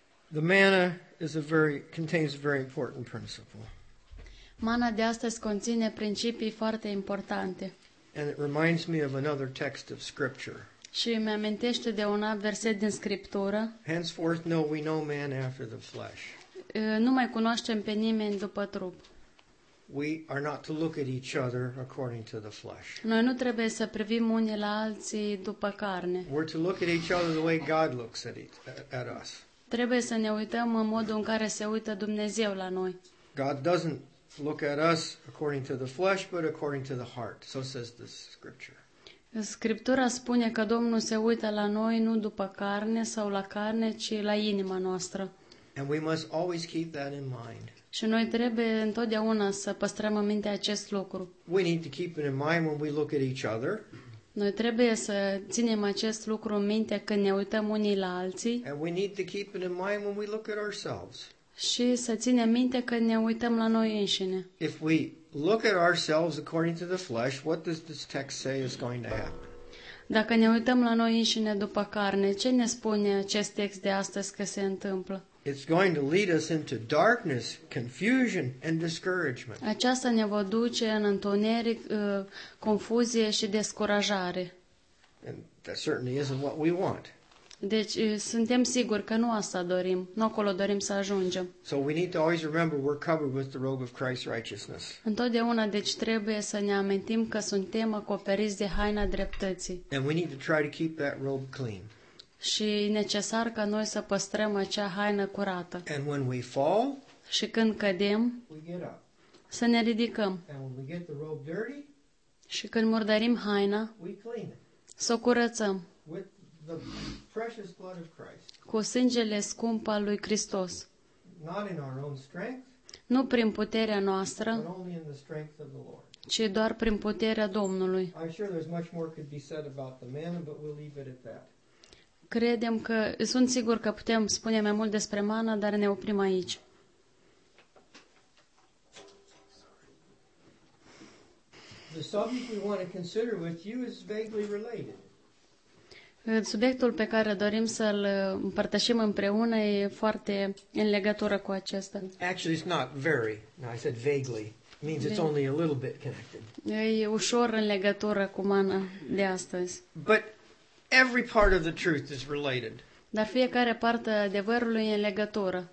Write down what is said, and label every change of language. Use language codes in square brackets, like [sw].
[en] The manna is a very contains a very important principle. [ro] Mana de astăzi conține principii foarte importante. [en] And it reminds me of another text of scripture. [ro] Și îmi amintește de un alt verset din Scriptură. [en] Henceforth, no, we know man after the flesh. [ro] Nu mai cunoaștem pe nimeni după trup. [en] We are not to look at each other according to the flesh. [ro] Noi nu trebuie să privim unii la alții după carne. [en] We're to look at each other the way God looks at us. [ro] Trebuie să ne uităm în modul în care se uită Dumnezeu la noi. [en] God doesn't look at us according to the flesh, but according to the heart. So says the scripture. [ro] Scriptura spune că Domnul se uită la noi nu după carne sau la carne, ci la inima noastră. [en] And we must always keep that in mind. [ro] Și noi trebuie întotdeauna să păstrăm în minte acest lucru. [en] We need to keep it in mind when we look at each other. [ro] Noi trebuie să ținem acest lucru în minte când ne uităm unii la alții. [en] And we need to keep it in mind when we look at ourselves. [ro] Și să ținem minte când ne uităm la noi înșine. [en] If we look at ourselves according to the flesh, what does this text say is going to happen? [ro] Dacă ne uităm la noi înșine după carne, ce ne spune acest text de astăzi că se întâmplă? [en] It's going to lead us into darkness, confusion and discouragement. [ro] Aceasta ne va duce în întuneric, confuzie și descurajare. [en] And that certainly isn't what we want. [ro] Deci suntem siguri că nu asta dorim, nu acolo dorim să ajungem. [en] So we need to always remember we're covered with the robe of Christ's righteousness. [ro] Întotdeauna deci trebuie să ne amintim că suntem acoperiți de haina dreptății. [en] And we need to try to keep that robe clean. [ro] Și e necesar ca noi să păstrăm acea haină curată. [en] And when we fall, [ro] și când cădem, [en] we get up. [ro] Să ne ridicăm. [en] And when we get the robe dirty, [ro] și când murdărim haina, [en] we clean it. [ro] Să o curățăm. [en] With the precious blood of Christ. [ro] Cu sângele scump al lui Hristos. [en] Not in our own strength, [ro] nu prin puterea noastră, [en] but only in the strength of the Lord. [ro] Ci doar prin puterea Domnului. [en] I'm sure there's much more could be said about the manna, but we'll leave it at that. [ro] Credem că, sunt sigur că putem spune mai mult despre mana, dar ne oprim aici. [en] The subject we want to consider with you is vaguely related. [ro] Subiectul pe care dorim să-l împărtășim împreună e foarte în legătură cu acesta. [en] Actually, it's not very. No, I said vaguely. It means it's only a little bit connected. [ro] E ușor în legătură cu mana de astăzi. [en] But every part of the truth is related. [ro] Dar fiecare parte a adevărului e în legătură.